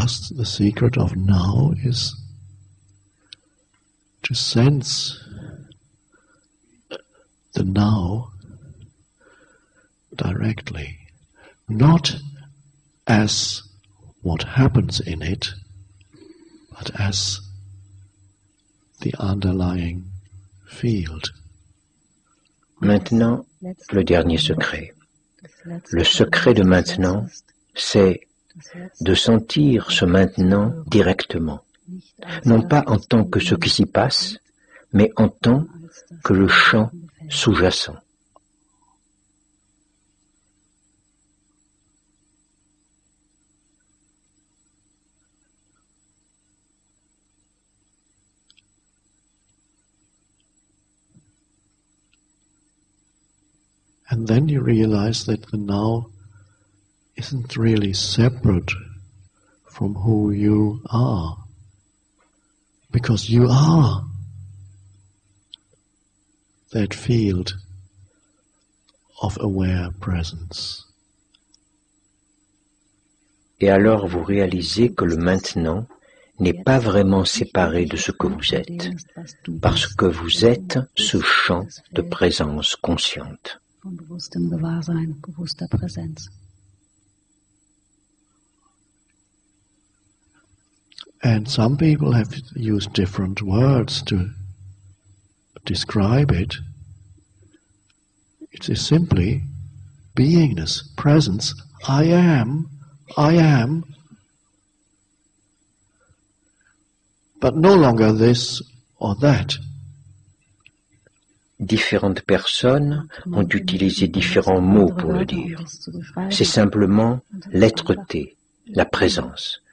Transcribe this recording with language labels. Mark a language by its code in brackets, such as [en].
[en] The secret of now is to sense the now directly, not as what happens in it, but as the underlying field. [fr] Maintenant, le dernier secret. Le secret de maintenant, c'est de sentir ce maintenant directement. Non pas en tant que ce qui s'y passe, mais en tant que le champ sous-jacent. [en] And then you realize that the now isn't really separate from who you are, because you are that field of aware presence. [fr] Et alors vous réalisez que le maintenant n'est pas vraiment séparé de ce que vous êtes, parce que vous êtes ce champ de présence consciente. [de] Von bewusstem Gewahrsein, bewusster Präsenz. [en] And some people have used different words to describe it. It is simply beingness, presence. I am but no longer this or that. [fr] Différentes personnes ont utilisé différents mots pour le dire. C'est simplement l'être-té, la présence.